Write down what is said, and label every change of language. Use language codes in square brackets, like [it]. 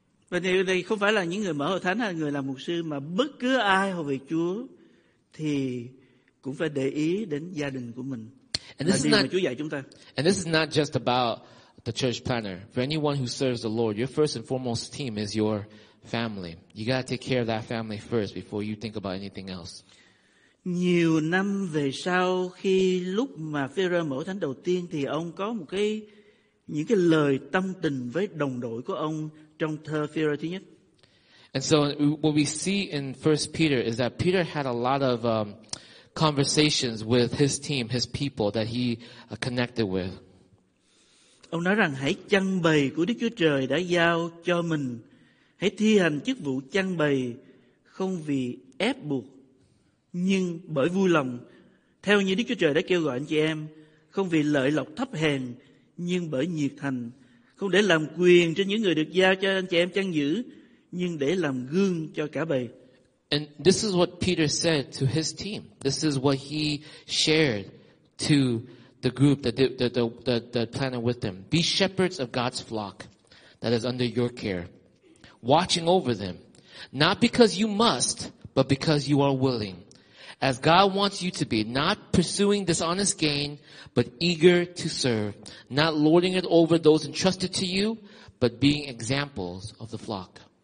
[vi] Và đây không phải là những người mở hội thánh hay người làm mục sư, mà bất cứ ai hầu việc Chúa thì cũng phải để ý đến gia đình của mình. [en] And this [vi] là [en] is not, [vi] mà Chúa dạy chúng ta. [en] And this is not just about the church planner. For anyone who serves the Lord, your first and foremost team is your family. You got to take care of that family first before you think about anything else. [vi] Nhiều năm về sau, khi lúc mà Phêrô mở thánh đầu tiên, thì ông có một cái những cái lời tâm tình với đồng đội của ông trong thơ Phêrô thứ nhất. [en] And so what we see in 1 Peter is that Peter had a lot of conversations with his team, his people that he connected with. [vi] Ông nói rằng hãy chăn bầy của Đức Chúa Trời đã giao cho mình, hãy thi hành chức vụ chăn bầy không vì ép buộc nhưng bởi vui lòng, theo như Đức Chúa Trời đã kêu gọi anh chị em, không vì lợi lộc thấp hèn nhưng bởi nhiệt thành, không để làm quyền cho những người được giao cho anh chị em chăn giữ nhưng để làm gương cho cả bầy. [en] And this is what Peter said to his team. This is what he shared to the group that the planted with them. Be shepherds of God's flock that is under your care, watching over them, not because you must, but because you are willing, as God wants you to be, not pursuing dishonest gain, but eager to serve, not lording it over those entrusted to you, but being examples of the flock.